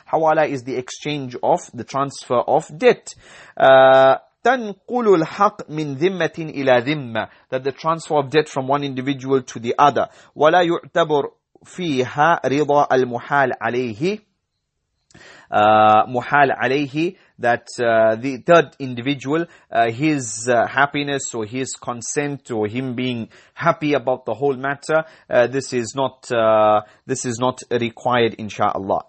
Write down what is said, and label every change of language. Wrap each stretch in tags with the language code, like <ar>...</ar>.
<en>Hawala is the exchange of, the transfer of debt.</en> <ar>تَنْقُلُ الْحَقْ مِنْ ذِمَّةٍ إِلَى ذِمَّةٍ.</ar> <en>That the transfer of debt from one individual to the other.</en> <ar>وَلَا يُعْتَبُرْ فِيهَا رِضَى الْمُحَالَ عَلَيْهِ. Muhal alayhi,</ar> <en>that the third individual, his happiness or his consent or him being happy about the whole matter, this is not required, inshallah.</en>